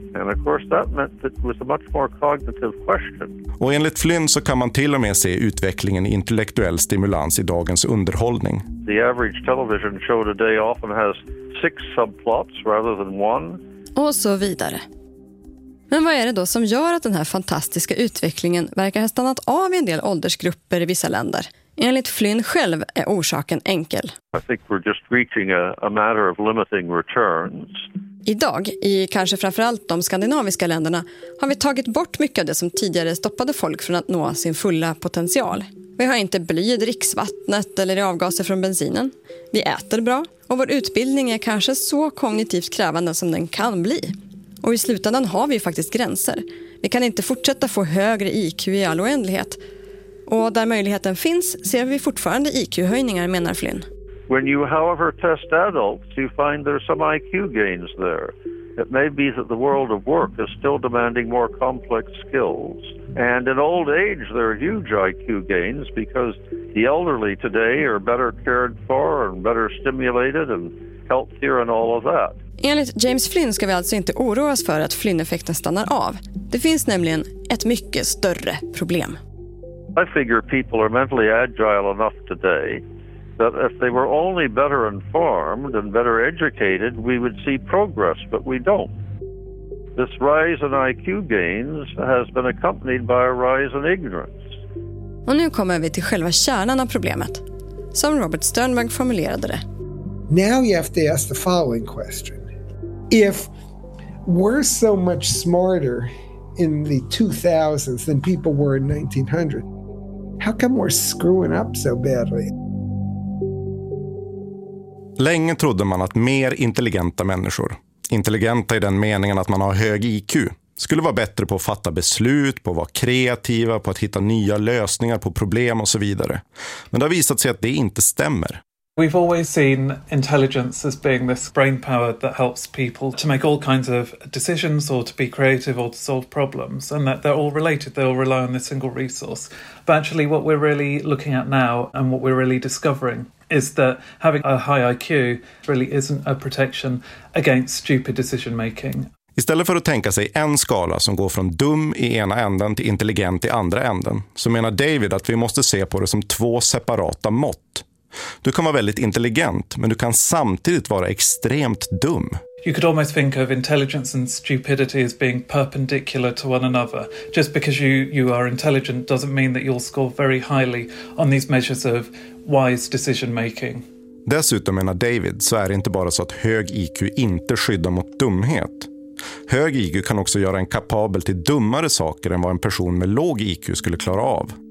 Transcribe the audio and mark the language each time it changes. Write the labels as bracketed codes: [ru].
[en] And of course that meant that it was a much more cognitive question. [sv] Och enligt Flynn så kan man till och med se utvecklingen i intellektuell stimulans i dagens underhållning. [en] The average television show today often has 6 subplots rather than 1. [sv] Och så vidare. Men vad är det då som gör att den här fantastiska utvecklingen verkar ha stannat av i en del åldersgrupper i vissa länder? Enligt Flynn själv är orsaken enkel. [en] I think we're just reaching a matter of limiting returns. [sv] Idag, i kanske framförallt de skandinaviska länderna, har vi tagit bort mycket av det som tidigare stoppade folk från att nå sin fulla potential. Vi har inte bly i dricksvattnet eller i avgaser från bensinen. Vi äter bra och vår utbildning är kanske så kognitivt krävande som den kan bli. Och i slutändan har vi faktiskt gränser. Vi kan inte fortsätta få högre IQ i all oändlighet. Och där möjligheten finns ser vi fortfarande IQ-höjningar, menar Flynn. [en] When you however test adults, you find there's some IQ gains there. It may be that the world of work is still demanding more complex skills. And in old age there are huge IQ gains because the elderly today are better cared for and better stimulated and healthier and all of that. [sv] Enligt James Flynn ska vi alltså inte oroa oss för att Flynn-effekten stannar av. Det finns nämligen ett mycket större problem. [en] I figure people are mentally agile enough today that if they were only better informed and better educated, we would see progress, but we don't. This rise in IQ gains has been accompanied by a rise in ignorance. [sv] Och nu kommer vi till själva kärnan av problemet, som Robert Sternberg formulerade det. [en] Now you have to ask the following question. If we're so much smarter in the 2000s than people were in 1900, how come we're screwing up so badly? [sv] Länge trodde man att mer intelligenta människor, intelligenta i den meningen att man har hög IQ, skulle vara bättre på att fatta beslut, på att vara kreativa, på att hitta nya lösningar på problem och så vidare. Men det har visat sig att det inte stämmer. [en] We've always seen intelligence as being this brain power that helps people to make all kinds of decisions or to be creative or to solve problems, and that they're all related, they all rely on this single resource. But actually what we're really looking at now and what we're really discovering is that having a high IQ really isn't a protection against stupid decision making. [sv] Istället för att tänka sig en skala som går från dum i ena änden till intelligent i andra änden, så menar David att vi måste se på det som 2 separata mått. Du kan vara väldigt intelligent, men du kan samtidigt vara extremt dum. [en] You could almost think of intelligence and stupidity as being perpendicular to one another. Just because you are intelligent doesn't mean that you'll score very highly on these measures of wise decision making. [sv] Dessutom menar David så är det inte bara så att hög IQ inte skyddar mot dumhet. Hög IQ kan också göra en kapabel till dummare saker än vad en person med låg IQ skulle klara av.